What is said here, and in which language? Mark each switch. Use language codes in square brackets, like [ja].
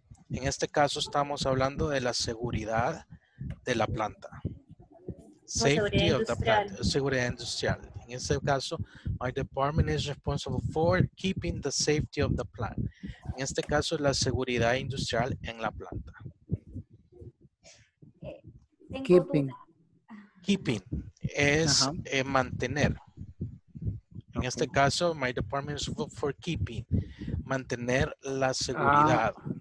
[es] En este caso estamos hablando de la seguridad de la planta. [en] Safety of the plant. [es] Seguridad industrial. [en] In [es] este caso, [en] my department is responsible for keeping the safety of the plant. [es] En este caso, la seguridad industrial en la planta. [en] Keeping. Keeping [es] es mantener. En este caso, [en] my department is responsible for keeping. [es] Mantener la seguridad.